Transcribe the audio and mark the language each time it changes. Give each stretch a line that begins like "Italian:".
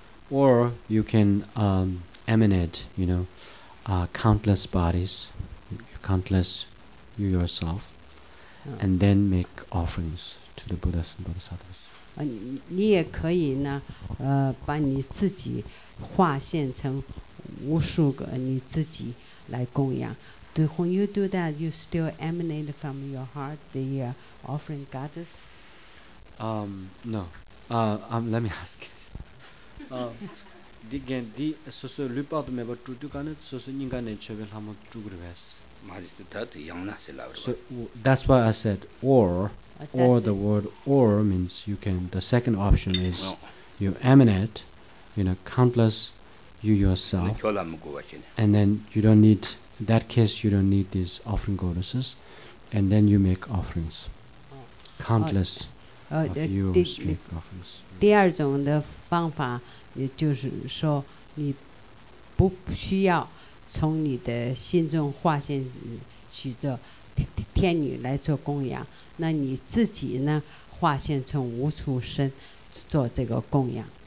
English: Or you can emanate, you know, countless bodies, countless you yourself, and then make offerings to the Buddhas and Bodhisattvas.
Chinese: 你也可以呢，把你自己化现成无数个你自己来供养。
English: When you do that, you still emanate from your heart the offering goddess? No. Let me ask. Again, so loop out the member to do it, so you can achieve it. So that's why I said or the word or means you can, the second option is you emanate, you know, countless you yourself, and then you don't need. In that case, you don't need these offering goddesses, and then you make offerings. Countless of you make offerings.
Chinese: 第二种的方法，也就是说，你不需要从你的心中化现许多天女来做供养，那你自己呢，化现从无处生做这个供养。